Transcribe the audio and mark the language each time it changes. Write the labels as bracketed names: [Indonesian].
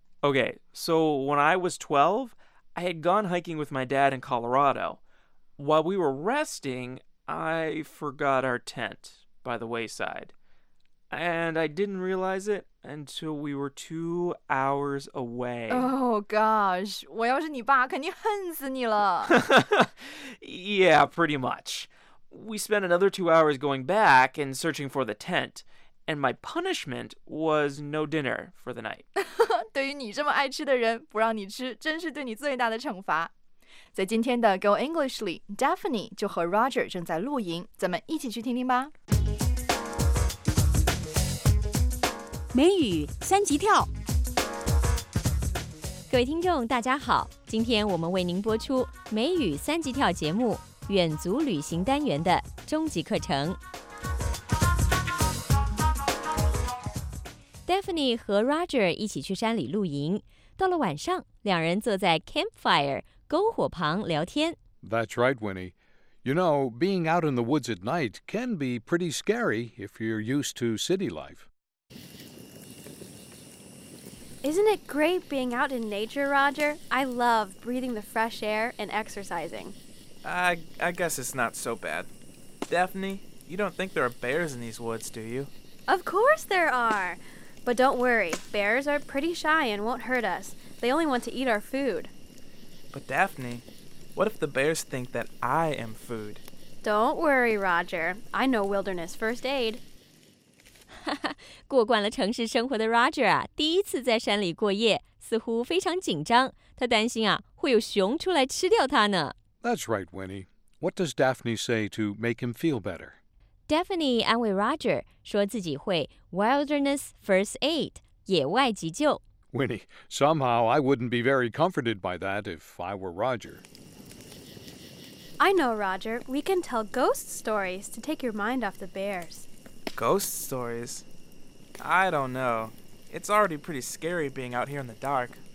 [English] Okay, so when I was 12,I had gone hiking with my dad in Colorado. While we were resting, I forgot our tent by the wayside. And I didn't realize it until we were 2 hours away. Oh gosh, [Chinese] 我要是你爸肯定恨死你了。 [English] Yeah, pretty much. We spent another 2 hours going back and searching for the tent. And my punishment was no dinner for the night. [Chinese] 对于你这么爱吃的人，不让你吃，真是对你最大的惩罚。在今天的 Go English 里 ，Daphne 就和 Roger 正在露营，咱们一起去听听吧。美语三级跳，各位听众大家好，今天我们为您播出美语三级跳节目远足旅行单元的终极课程。 Daphne 和 Roger 一起去山里露营。到了晚上，两人坐在 campfire 篝火旁聊天。 [English] That's right, Winnie. You know, being out in the woods at night can be pretty scary if you're used to city life. Isn't it great being out in nature, Roger? I love breathing the fresh air and exercising. I guess it's not so bad. Daphne, you don't think there are bears in these woods, do you? Of course there are! But don't worry, bears are pretty shy and won't hurt us. They only want to eat our food. But Daphne, what if the bears think that I am food? Don't worry, Roger. I know wilderness first aid. [Chinese] 过惯了城市生活的 Roger 啊，第一次在山里过夜，似乎非常紧张。他担心啊，会有熊出来吃掉他呢。 [English] That's right, Winnie. What does Daphne say to make him feel better? [Chinese] Daphne 安慰 Roger, 说自己会 Wilderness First Aid, 野外急救。 [English] Winnie, somehow I wouldn't be very comforted by that if I were Roger. I know, Roger. We can tell ghost stories to take your mind off the bears. Ghost stories? I don't know. It's already pretty scary being out here in the dark.